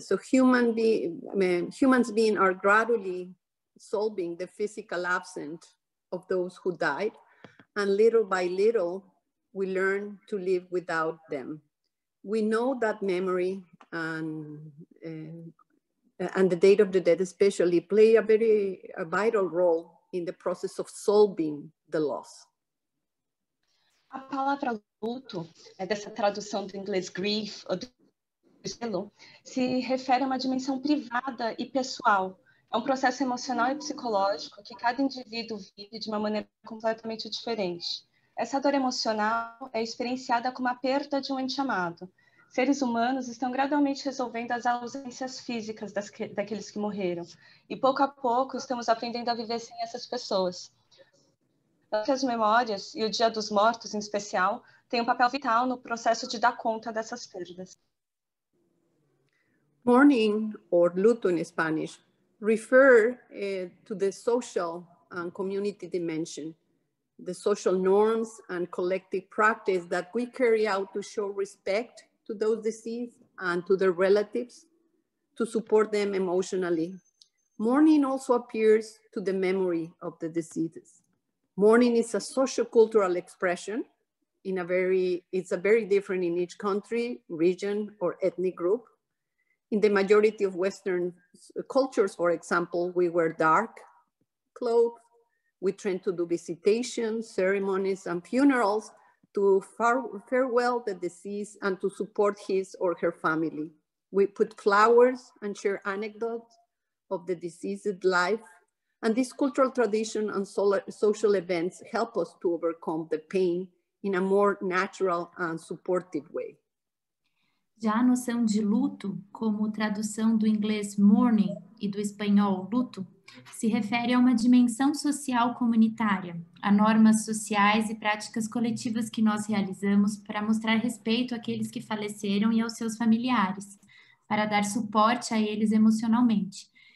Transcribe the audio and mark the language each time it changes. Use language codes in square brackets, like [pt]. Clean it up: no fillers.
[en] Humans being are gradually solving the physical absence of those who died, and little by little, we learn to live without them. We know that memory and the date of the dead especially play a very vital role in the process of solving the loss. [pt] A palavra luto, dessa tradução do inglês grief, se refere a uma dimensão privada e pessoal. É um processo emocional e psicológico que cada indivíduo vive de uma maneira completamente diferente. Essa dor emocional é experienciada como a perda de um ente amado. Seres humanos estão gradualmente resolvendo as ausências físicas daqueles que morreram. E pouco a pouco estamos aprendendo a viver sem essas pessoas. As memórias e o Dia dos Mortos, em especial, têm um papel vital no processo de dar conta dessas perdas. [en] Mourning, or luto in Spanish, refer to the social and community dimension, the social norms and collective practice that we carry out to show respect to those deceased and to their relatives, to support them emotionally. Mourning also appears to the memory of the deceased. Mourning is a sociocultural expression it's a very different in each country, region, or ethnic group. In the majority of Western cultures, for example, we wear dark clothes. We tend to do visitations, ceremonies, and funerals to farewell the deceased and to support his or her family. We put flowers and share anecdotes of the deceased's life. And this cultural tradition and social events help us to overcome the pain in a more natural and supportive way. [pt] Já a noção de luto, como tradução do inglês mourning e do espanhol luto, se refere a uma dimensão social comunitária, a normas sociais e práticas coletivas que nós realizamos para mostrar respeito àqueles que faleceram e aos seus familiares, para dar suporte a eles emocionalmente.